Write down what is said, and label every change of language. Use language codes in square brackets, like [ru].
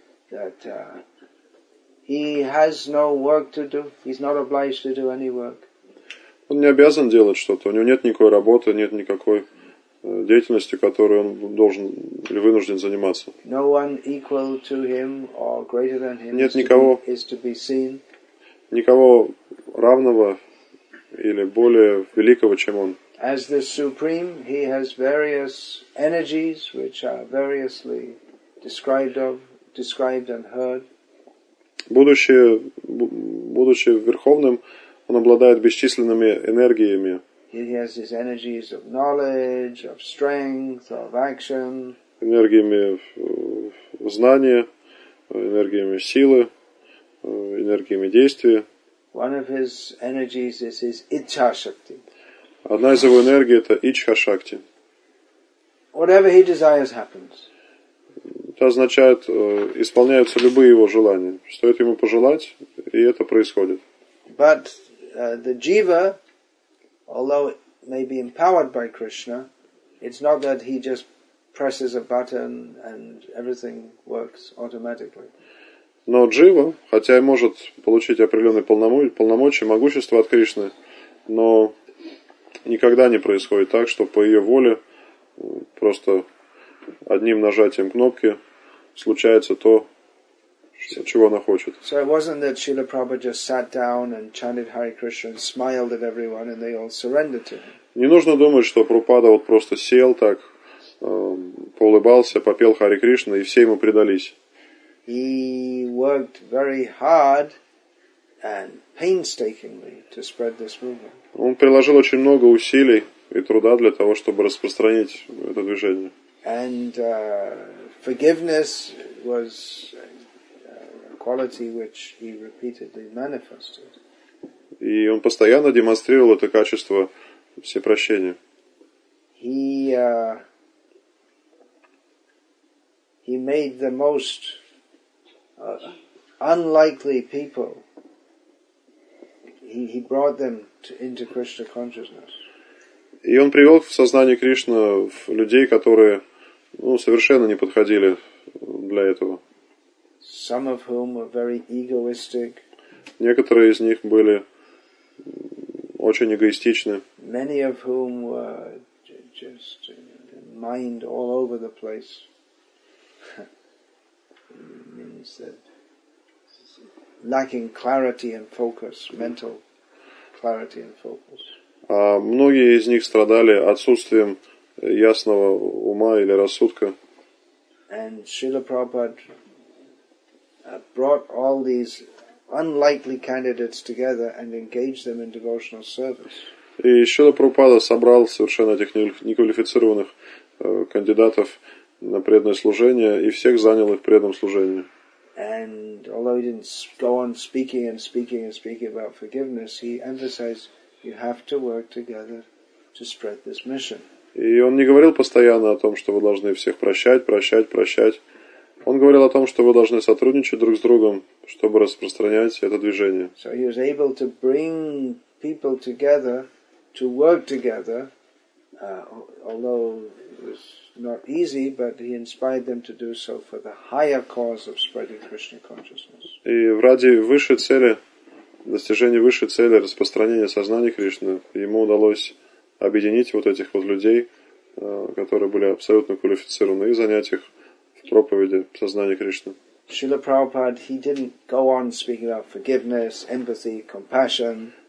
[en] That he has no work to do, he's not obliged to do any work. [ru] Он не обязан делать что-то, у него нет никакой работы, нет никакой деятельности, которой он должен или вынужден заниматься. [en] No one equal to him or greater than him. [ru] Нет никого, [en] is to be seen. [ru] Никого равного или более великого, чем он. [en] As the supreme, he has various energies which are variously described and heard. [ru] Будучи верховным, он обладает бесчисленными энергиями. [en] He has his energies of knowledge, of strength, of action. [ru] Энергиями знания, энергиями силы, энергиями действия. [en] One of his energies is his ichha shakti. [ru] Одна из его энергий это ichha shakti. [en] Whatever he desires happens. [ru] Это означает, исполняются любые его желания. Стоит ему пожелать, и это происходит. [en] But the jiva, although it may be empowered by Krishna, it's not that he just presses a button and everything works automatically. [ru] Но джива, хотя и может получить определенные полномочия, могущество от Кришны, но никогда не происходит так, что по ее воле просто одним нажатием кнопки случается то, чего она хочет. [en] So it wasn't that Srila Prabhupada just sat down and chanted Hare Krishna and smiled at everyone and they all surrendered to him. [ru] Не нужно думать, что Прабхупада вот просто сел так, поулыбался, попел Харе Кришна и все ему предались. [en] He worked very hard and painstakingly to spread this movement. [ru] Он приложил очень много усилий и труда для того, чтобы распространить это движение. [en] And forgiveness was a quality which he repeatedly manifested. [ru] И он постоянно демонстрировал это качество всепрощения. [en] He made the most unlikely people. He brought them into Krishna consciousness. [ru] И он привел в сознание Кришны людей, которые совершенно не подходили для этого. [en] Some of whom were very egoistic. [ru] Некоторые из них были очень эгоистичны. [en] Many of whom were just mind all over the place. Means that lacking clarity and focus, mental clarity and focus. [ru] Многие из них страдали отсутствием ясного ума или рассудка. [en] And Srila Prabhupada brought all these unlikely candidates together and engaged them in devotional service. [ru] И Шрила Прабхупада собрал совершенно этих неквалифицированных кандидатов на преданное служение и всех занял их в преданном служении. [en] And although he didn't go on speaking and speaking and speaking about forgiveness, he emphasized you have to work together to spread this mission. [ru] И он не говорил постоянно о том, что вы должны всех прощать, прощать, прощать. Он говорил о том, что вы должны сотрудничать друг с другом, чтобы распространять это движение. [en] So he was able to bring people together to work together, although it was not easy, but he inspired them to do so for the higher cause of spreading Krishna consciousness. [ru] И ради высшей цели, достижения высшей цели распространения сознания Кришны, ему удалось объединить вот этих вот людей, которые были абсолютно квалифицированы, и занять их в проповеди сознания Кришны. [en] Srila Prabhupada, he didn't go on speaking about forgiveness, empathy, compassion.